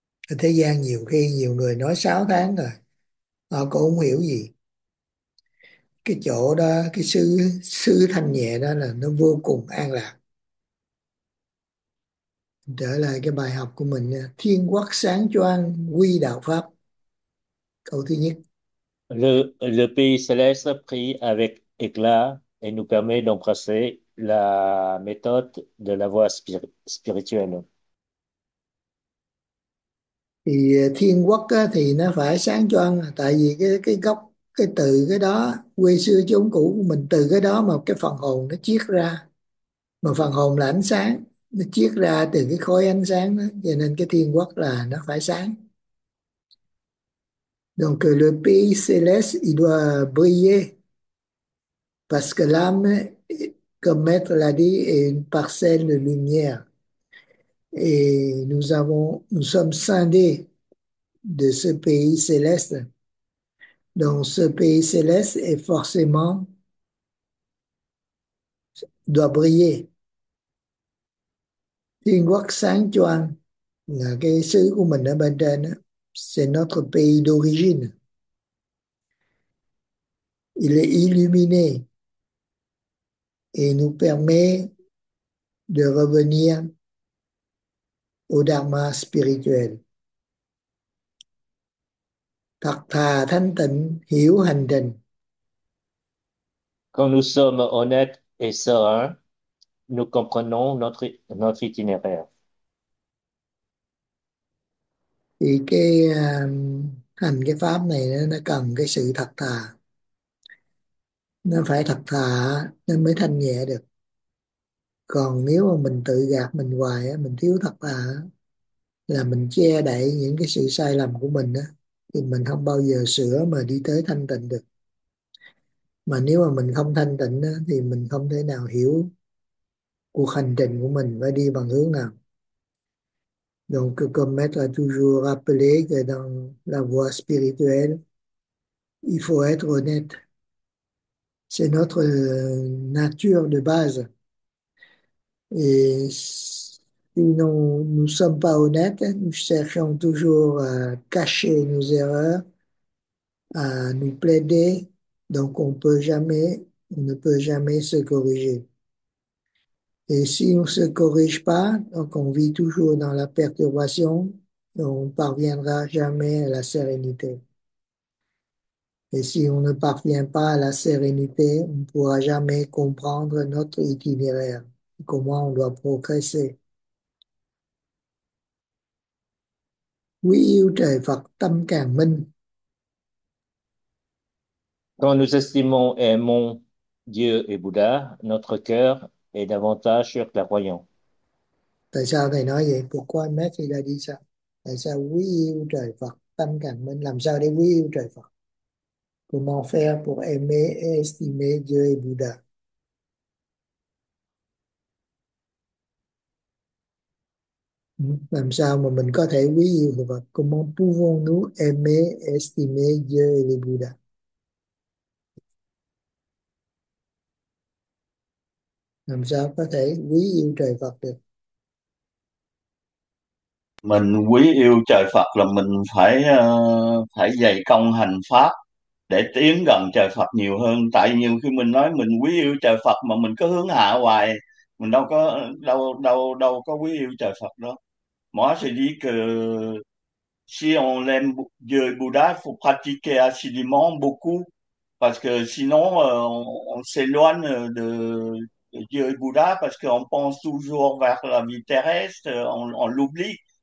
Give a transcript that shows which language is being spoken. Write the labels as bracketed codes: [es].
[vi] Ở thế gian nhiều khi nhiều người nói 6 tháng rồi họ cũng không hiểu gì. Cái chỗ đó, cái sứ thanh nhẹ đó là nó vô cùng an lạc. Trở lại cái bài học của mình nha. Thiên quốc sáng choang quy đạo pháp, câu thứ nhất. [fr] Le pays céleste prie avec éclat et nous permet d'embrasser la méthode de la voie spirituelle. [vi] Thì thiên quốc á, thì nó phải sáng choang, tại vì cái gốc cái từ cái đó quê xưa chốn cũ của mình, từ cái đó mà cái phần hồn nó chiết ra, mà phần hồn là ánh sáng, nó chiết ra từ cái khối ánh sáng đó, cho nên cái thiên quốc là nó phải sáng. [fr] Donc le pays céleste il doit briller parce que l'âme comme maître l'a dit est une parcelle de lumière. Et nous sommes scindés de ce pays céleste. Donc ce pays céleste est forcément, doit briller. [vi] Thiên quốc sáng choang là cái xứ của mình ở bên trên, [fr] c'est notre pays d'origine. Il est illuminé et nous permet de revenir au dharma spirituel. [vi] Thật thà thanh tịnh hiểu hành trình. [fr] Quand nous sommes honnêtes et sereins, nous comprenons notre itinéraire. [vi] Thì cái hành cái pháp này nó cần cái sự thật thà, nó phải thật thà nó mới thanh nhẹ được. Còn nếu mà mình tự gạt mình hoài á, mình thiếu thật thà là mình che đậy những cái sự sai lầm của mình á, thì mình không bao giờ sửa mà đi tới thanh tịnh được. Mà nếu mà mình không thanh tịnh á, thì mình không thể nào hiểu cuộc hành trình của mình phải đi bằng hướng nào. [fr] Donc, comme maître a toujours rappelé que dans la voie spirituelle, il faut être honnête. C'est notre nature de base. Et si nous ne sommes pas honnêtes, nous cherchons toujours à cacher nos erreurs, à nous plaider. Donc, on ne peut jamais se corriger. Et si on ne se corrige pas, donc on vit toujours dans la perturbation, on ne parviendra jamais à la sérénité. Et si on ne parvient pas à la sérénité, on ne pourra jamais comprendre notre itinéraire, comment on doit progresser. [vi] Oui, yêu trời Phật, tâm càng minh. [fr] Quand nous estimons et aimons Dieu et Bouddha, notre cœur est davantage clairvoyant. [vi] Tại sao thầy nói vậy? [fr] Pourquoi [vi] Mét thì là đi sao? Tại sao quý yêu trời Phật, tâm càng minh? Làm sao để quý yêu trời Phật? [fr] Comment faire pour aimer et estimer Dieu et Bouddha? [vi] Làm sao mà mình có thể quý yêu Phật? [fr] Comment pouvons-nous aimer et estimer Dieu et Bouddha? [vi] Làm sao có thể quý yêu trời Phật được? Mình quý yêu trời Phật là mình phải phải dày công hành pháp để tiến gần trời Phật nhiều hơn. Tại nhiều khi mình nói mình quý yêu trời Phật mà mình cứ hướng hạ hoài, mình đâu có đâu đâu đâu có quý yêu trời Phật đó. [fr] Moi je dis que si on l'aime Dieu Bouddha, faut pratiquer assidûment beaucoup parce que sinon on s'éloigne de Dieu Bouddha parce qu'on pense toujours vers la vie terrestre, on l'oublie.